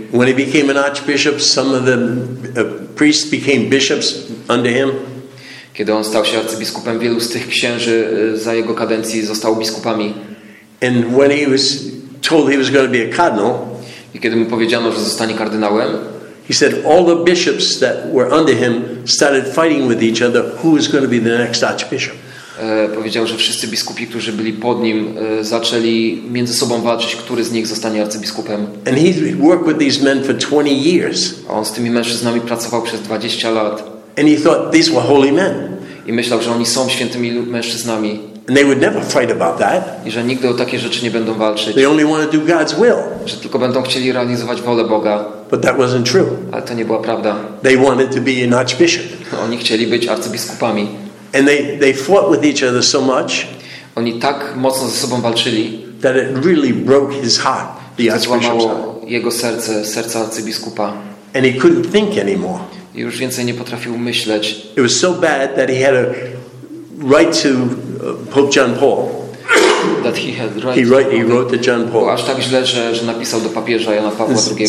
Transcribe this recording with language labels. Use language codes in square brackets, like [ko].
[en] When he became an archbishop, some of the priests became bishops under him. [pl] Kiedy on stał się arcybiskupem, wielu z tych księży za jego kadencji zostało biskupami. [en] And when he was told he was going to be a cardinal, [pl] i kiedy mu powiedziano, że zostanie kardynałem, [en] he said all the bishops that were under him started fighting with each other who is going to be the next archbishop. [pl] Powiedział, że wszyscy biskupi, którzy byli pod nim, zaczęli między sobą walczyć, który z nich zostanie arcybiskupem. [en] And he worked with these men for 20 years. [pl] On z tymi mężczyznami pracował przez 20 lat. [en] And he thought these were holy men. [pl] I myślał, że oni są świętymi mężczyznami. [en] And they would never fight about that. [pl] I że nigdy o takie rzeczy nie będą walczyć. [en] They only want to do God's will. [pl] Że tylko będą chcieli realizować wolę Boga. [en] But that wasn't true. [pl] Ale to nie była prawda. [en] They wanted to be an archbishop. [pl] Oni chcieli być arcybiskupami. [en] And they fought with each other so much. [pl] Oni tak mocno ze sobą walczyli. [en] That it really broke his heart. The [pl] złamało jego serce arcybiskupa. [en] And he couldn't think anymore. [pl] I już więcej nie potrafił myśleć. [en] It was so bad that he had to write to Pope John Paul. That he had right. He wrote to John Paul. [pl] Aż tak źle, że napisał do papieża Jana Pawła II.